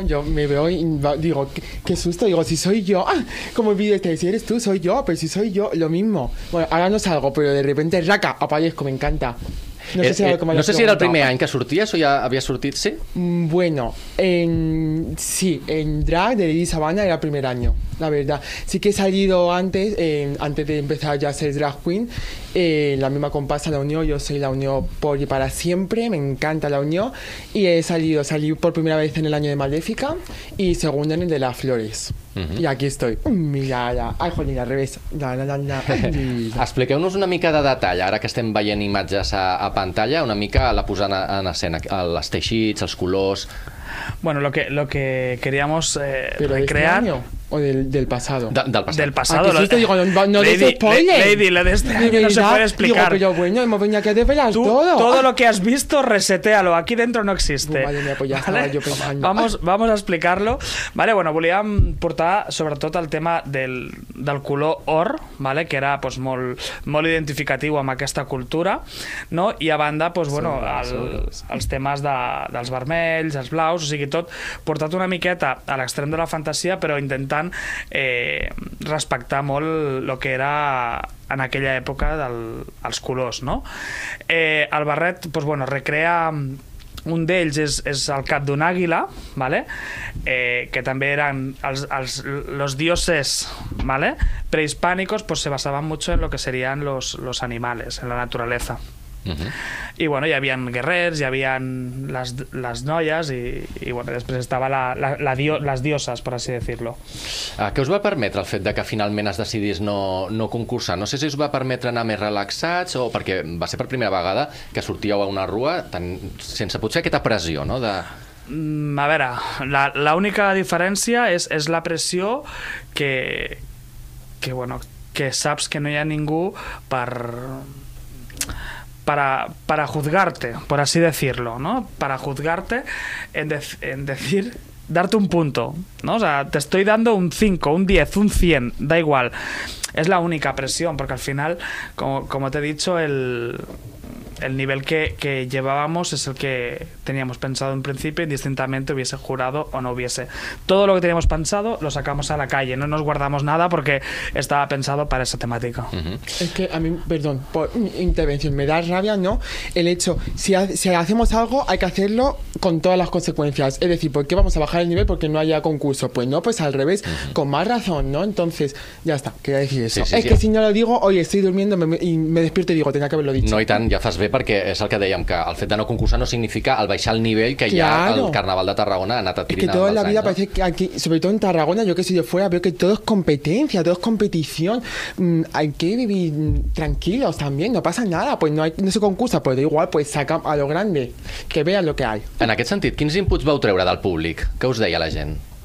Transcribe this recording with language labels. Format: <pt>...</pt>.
<es>Yo me veo y digo, qué susto, digo, si soy yo, como el vídeo este, si eres tú, soy yo, pero si soy yo, lo mismo. Bueno, ahora no salgo, pero de repente, raca, aparezco, me encanta.</es> <ca>No sé si era el primer any que sorties o ja havia sortit, sí?</ca> <es>Bueno, en drag de Lady Sabana era el primer any, la verdad. Sí que he salido antes de empezar ya a ser drag queen, la misma comparsa La Unió, yo soy La Unió por y para siempre, me encanta La Unió, y he salí por primera vez en el año de Maléfica y segunda en el de Las Flores.</es> <ca>I aquí estoy. Mira, ara.</ca> <es>Ai, jolín, al revés.</es> <ca>Expliqueu-nos una mica de detall, ara que estem veient imatges a pantalla, una mica la posant en escena, els teixits, els colors...</ca> <es>Bueno, lo que queríamos recrear... ¿Pero o del pasado? Del pasado. Ah, que digo, no des spoiler. Lady, la de este año no se puede explicar. Digo, pero bueno, hemos venido aquí a desvelar todo. Todo lo que has visto, resetéalo. Aquí dentro no existe. Madre mía, pues ya estaba yo pensando. Vamos a explicarlo.</es> <ca>Vale, bueno, volíem portar sobretot el tema del color or, vale, que era pues molt identificatiu amb aquesta cultura, no? I a banda, pues bueno, els temes dels vermells, els blaus, o sigui, tot portat una miqueta a l'extrem de la fantasia, però intentant respectar molt el que era en aquella època els colors, no? El barret, pues, bueno, recrea Un d'ells és el cap d'un àguila, ¿vale? Que també eren els dioses, ¿vale?</ca> <es>Prehispànics, pues se basaven mucho en lo que serían los animales, en la naturaleza.</es> <ca>Uh-huh. I bueno, hi havia guerrers, hi havia les noies i bueno, després estava les dioses, per així dir-lo. Què us va permetre el fet de que finalment es decidís no concursar? No sé si us va permetre anar més relaxats o perquè va ser per primera vegada que sortíeu a una rua sense potser aquesta pressió, no? A veure, l'única diferència és la pressió que bueno, que saps que no hi ha ningú</ca> <es>para juzgarte, por así decirlo, ¿no? Para juzgarte en decir darte un punto, ¿no? O sea, te estoy dando un 5, un 10, un 100, da igual. Es la única presión, porque al final, como te he dicho, el nivel que llevábamos es el que teníamos pensado en principio, indistintamente hubiese jurado o no hubiese. Todo lo que teníamos pensado lo sacamos a la calle, no nos guardamos nada porque estaba pensado para esa temática. Uh-huh. Es que a mí, perdón, por mi intervención, me da rabia, ¿no? El hecho, si hacemos algo, hay que hacerlo con todas las consecuencias. Es decir, ¿por qué vamos a bajar el nivel? Porque no haya concurso. Pues no, pues al revés, uh-huh. Con más razón, ¿no? Entonces, ya está, quería decir eso. Sí, sí, es sí, que sí. Si no lo digo, oye, estoy durmiendo y me despierto y digo, tenía que haberlo dicho.</es> <ca>No, y tan, ya estás bé, perquè és el que dèiem, que el fet de no concursar no significa el baixar el nivell que</ca> <es>claro.</es> <ca>Hi ha al Carnaval de Tarragona, ha anat a trinar.</ca> <es>Es que toda la vida años, parece que aquí, sobre todo en Tarragona, yo que soy de fuera, veo que todo es competencia, todo es competición. Hay que vivir tranquilos también, no pasa nada, pues no se concursa, pues da igual, pues saca a lo grande, que vean lo que hay.</es> <ca>En aquest sentit, quins inputs vau treure del públic? Què us deia la gent?</ca>